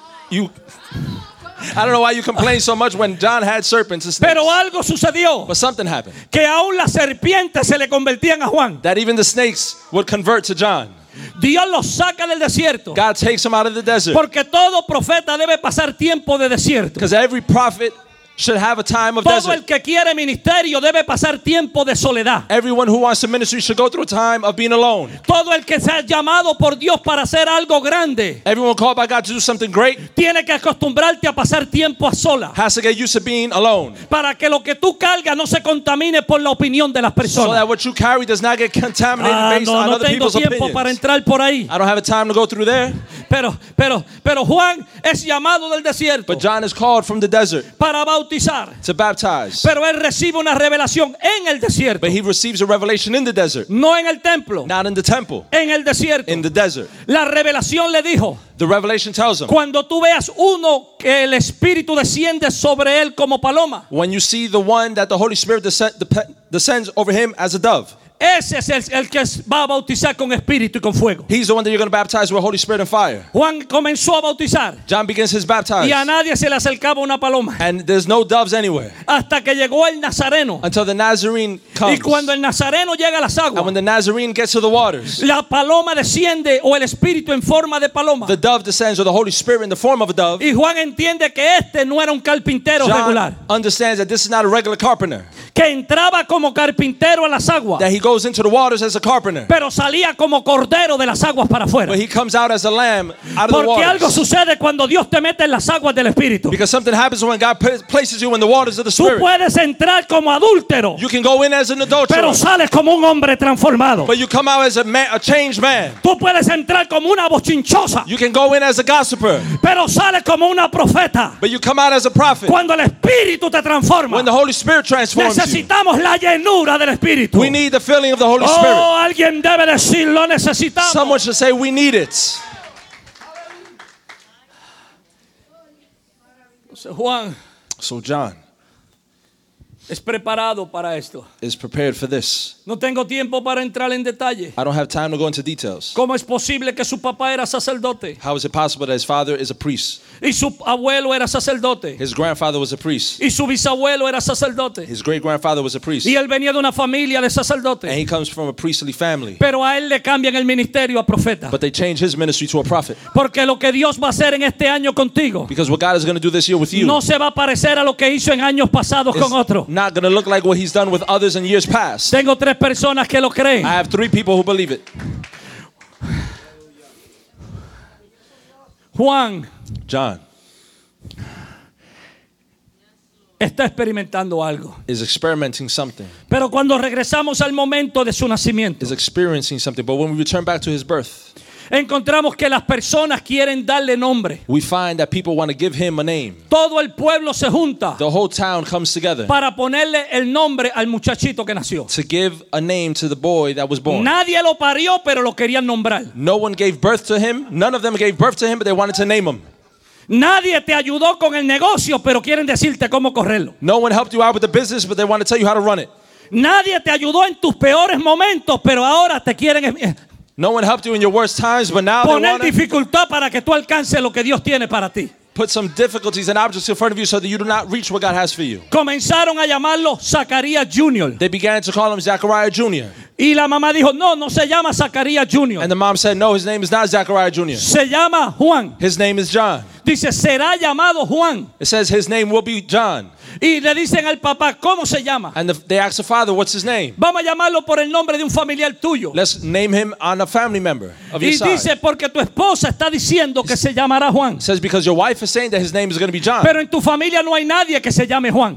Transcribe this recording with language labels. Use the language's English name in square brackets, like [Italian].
[English] I don't know why you complain so much when John had serpents and snakes. [Spanish] Pero algo sucedió. [English] But something happened. [Spanish] Que aún las serpientes se le convertían a Juan. [English] That even the snakes would convert to John. [Spanish] Dios lo saca del desierto. [English] God takes him out of the desert. [Spanish] Porque todo profeta debe pasar tiempo de desierto. [English] Because every prophet should have a time of [Spanish] todo [English] desert. [Spanish] El que quiere ministerio debe pasar tiempo de soledad. [English] Everyone who wants to ministry should go through a time of being alone. [Spanish] Todo el que sea llamado por Dios para hacer algo grande. [English] Everyone called by God to do something great. [Spanish] Tiene que acostumbrarte a pasar tiempo a sola. [English] Has to get used to being alone. [Spanish] Para que lo que tú cargas no se contamine por la opinión de las personas. [English] So that what you carry does not get contaminated based [Spanish] no, [English] on [Spanish] no [English] other people's opinions. [Spanish] Para entrar por ahí. [English] I don't have a time to go through there. [Spanish] Pero Juan es llamado del desierto. [English] But John is called from the desert. [Spanish] Para [English] to baptize. [Spanish] Pero él recibe una revelación en el desierto. [English] But he receives a revelation in the desert. [Spanish] No en el templo. [English] Not in the temple. [Spanish] En el desierto. [English] In the desert. [Spanish] La revelación le dijo. [English] The revelation tells him. [Spanish] Cuando tú veas uno que el Espíritu desciende sobre él como paloma. [English] When you see the one that the Holy Spirit descends over him as a dove. [Spanish] Ese es el que va a bautizar con Espíritu y con fuego. [English] He's the one that you're going to baptize with Holy Spirit and fire. [Spanish] Juan comenzó a bautizar. [English] John begins his baptism. [Spanish] Y a nadie se le acercaba una paloma. [English] And there's no doves anywhere. [Spanish] Hasta que llegó el Nazareno. [English] Until the Nazarene comes. [Spanish] Y cuando el Nazareno llega a las aguas. [English] And when the Nazarene gets to the waters. [Spanish] La paloma desciende o el Espíritu en forma de paloma. [English] The dove descends or the Holy Spirit in the form of a dove. [Spanish] Y Juan entiende que este no era un carpintero [English] John regular. John understands that this is not a regular carpenter. [Spanish] Que entraba como carpintero a las aguas. [English] That he goes into the waters as a carpenter. [Spanish] Pero salía como cordero de las aguas para afuera. [English] But he comes out as a lamb out of the waters. [Spanish] Porque algo sucede cuando Dios te mete en las aguas del Espíritu. [English] Because something happens when God places you in the waters of the Spirit. [Spanish] Tú puedes entrar como adúltero. [English] You can go in as an adulterer. [Spanish] Pero sales como un hombre transformado. [English] But you come out as a changed man. [Spanish] Tú puedes entrar como una bochinchosa. [English] You can go in as a gossiper. [Spanish] Pero sales como una profeta. [English] But you come out as a prophet. [Spanish] Cuando el Espíritu te transforma. [English] When the Holy Spirit transforms [Spanish] necesitamos [English] you. [Spanish] La llenura del Espíritu. [English] We need the filling of the Holy Spirit. [Spanish] Oh, alguien debe decir, lo necesitamos. [English] Someone should say, we need it. [Spanish] Juan, [English] so John [Spanish] es preparado para esto. [English] Is prepared for this. [Spanish] No tengo tiempo para entrar en detalle. [English] I don't have time to go into details. [Spanish] ¿Cómo es posible que su papá era sacerdote? [English] How is it possible that his father is a priest? [Spanish] Y su abuelo era sacerdote. [English] His grandfather was a priest. [Spanish] Y su bisabuelo era sacerdote. [English] His great grandfather was a priest. [Spanish] Y él venía de una familia de sacerdotes. [English] And he comes from a priestly family. [Spanish] Pero a él le cambian el ministerio a profeta. [English] But they change his ministry to a prophet. [Spanish] Porque lo que Dios va a hacer en este año contigo. [English] Because what God is going to do this year with you. [Spanish] No se va a parecer a lo que hizo en años pasados con otro. [English] Not going to look like what he's done with others in years past. [Spanish] Tengo tres personas que lo creen. [English] I have three people who believe it. [Spanish] Juan. [English] John. [Spanish] Está experimentando algo. [English] Is experimenting something. [Spanish] Pero cuando regresamos al momento de su nacimiento. [English] Is experiencing something. But when we return back to his birth. [Spanish] Encontramos que las personas quieren darle nombre. [English] We find that people want to give him a name. [Spanish] Todo el pueblo se junta. [English] The whole town comes together. [Spanish] Para ponerle el nombre al muchachito que nació. [English] To give a name to the boy that was born. [Spanish] Nadie lo parió, pero lo querían nombrar. [English] No one gave birth to him. None of them gave birth to him, but they wanted to name him. [Spanish] Nadie te ayudó con el negocio, pero quieren decirte cómo correrlo. [English] No one helped you out with the business, but they want to tell you how to run it. [Spanish] Nadie te ayudó en tus peores momentos, pero ahora te quieren. [English] No one helped you in your worst times, but now [Spanish] poner [English] they want [Spanish] dificultad para que tú alcances lo que Dios tiene para ti. [English] Put some difficulties and obstacles in front of you so that you do not reach what God has for you. [Spanish] Comenzaron a llamarlo Zacarías Junior. [English] They began to call him Zachariah Junior. [Spanish] Y la mamá dijo, no, no se llama Zacarías Junior. [English] And the mom said, no, his name is not Zachariah Junior. [Spanish] Se llama Juan. [English] His name is John. [Spanish] Dice, será llamado Juan. [English] It says his name will be John. [Spanish] Y le dicen al papá, ¿cómo se llama? [English] And they ask the father, what's his name? [Spanish] Vamos a llamarlo por el nombre de un familiar tuyo. [English] Let's name him on a family member of [Spanish] y [English] your side. [Spanish] Y dice, porque tu esposa está diciendo que se llamará Juan. [English] It says, because your wife is saying that his name is going to be John. [Spanish] Pero en tu familia no hay nadie que se llame Juan.